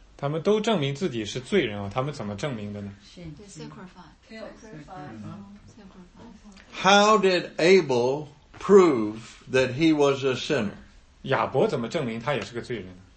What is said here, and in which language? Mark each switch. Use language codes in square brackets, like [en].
[zh] 他们都证明自己是罪人啊，他们怎么证明的呢？ [en] They sacrificed. How did Abel prove that he was a sinner? [zh] 亚伯怎么证明他也是个罪人呢？